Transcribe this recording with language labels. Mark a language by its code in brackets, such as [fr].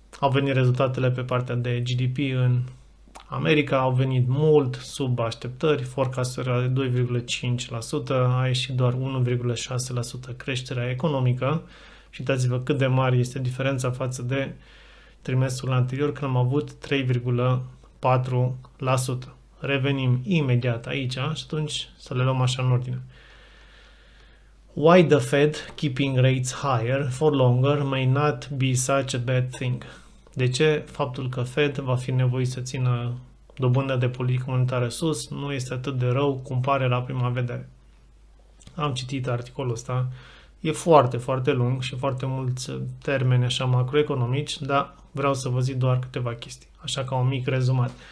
[ro] venit rezultatele pe partea de GDP în America, au venit mult sub așteptări, forecast-urile de 2,5%, a ieșit doar 1,6% creșterea economică și uitați-vă cât de mare este diferența față de trimestrul anterior când am avut 3,4%. Revenim imediat aici și atunci să le luăm așa în ordine. [en] Why the Fed keeping rates higher for longer may not be such a bad thing. [ro] De ce faptul că Fed va fi nevoit să țină dobânda de politică monetară sus nu este atât de rău cum pare la prima vedere? Am citit articolul ăsta. E foarte, foarte lung și foarte mulți termeni așa macroeconomici, dar vreau să vă zic doar câteva chestii, așa ca un mic rezumat.